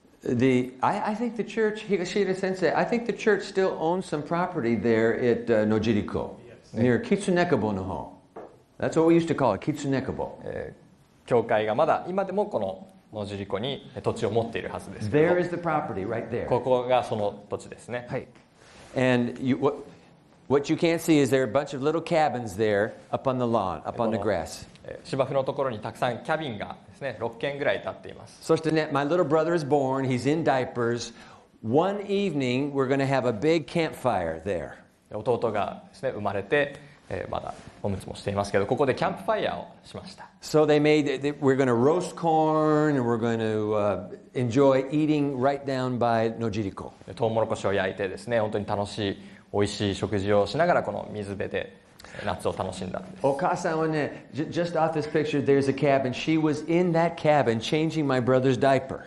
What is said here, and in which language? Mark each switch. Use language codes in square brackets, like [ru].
[en] I think the church, Higashida Sensei, I think the church still owns some property there at Nojiriko, near Kitsunekubo [ja] の方。 [en] That's what we used to call it, Kitsunekubo. [ja] 教会がまだ今でもこの野尻湖に土地を持っているはずです。 [en] There is the property right there. [ja] ここがその土地ですね。はい。 [en] And you, what you can't see is there are a bunch of little cabins there up on the lawn, up on the grass. [ja] 芝生のところにたくさんキャビンがですね、6軒ぐらい立っています。そしてね、 [en] my little brother is born, he's in diapers. One evening, we're going to have a big campfire there. [ja] 弟がですね、生まれて、まだおむつもしていますけど、ここでキャンプファイヤーをしました。 [en] So they made, we're going to roast corn and we're going to enjoy eating right down by Nojiriko. [ja] トウモロコシを焼いてですね、本当に楽しい、美味しい食事をしながらこの水辺で夏を楽しんだんです。お母さんはね、 [en] just off this picture, there's a cabin. She was in that cabin changing my brother's diaper.